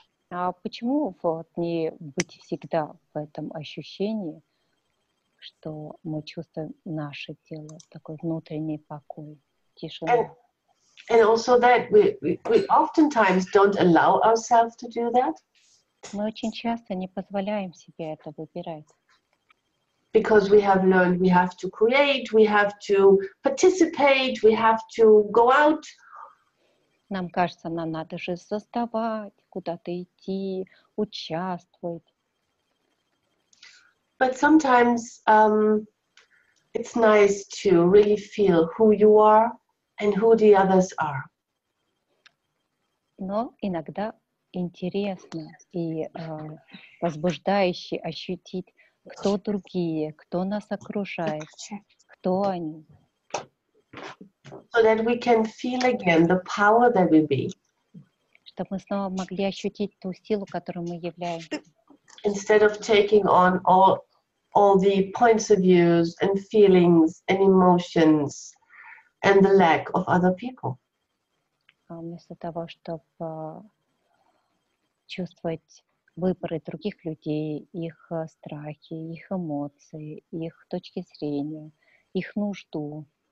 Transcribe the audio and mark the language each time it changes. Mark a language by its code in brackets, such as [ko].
[ru] А почему вот не быть всегда в этом ощущении, что мы чувствуем наше тело, такой внутренний покой, тишину? [en] And also that we oftentimes don't allow ourselves to do that. [ru] Мы очень часто не позволяем себе это выбирать. [en] Because we have learned we have to create, we have to participate, we have to go out. [ru] Нам кажется, нам надо же создавать, куда-то идти, участвовать. [en] But sometimes it's nice to really feel who you are. And who the others are. [ru] Но иногда интересно и возбуждающе ощутить, кто другие, кто нас окружает, кто они. [en] So that we can feel again the power that we be. [ru] Чтобы мы снова могли ощутить ту силу, которой мы являемся. [en] Instead of taking on all the points of views and feelings and emotions. And the lack of other people. [ru] Вместо того, чтобы чувствовать выборы других людей, их страхи, их эмоции, их точки зрения, их нужду.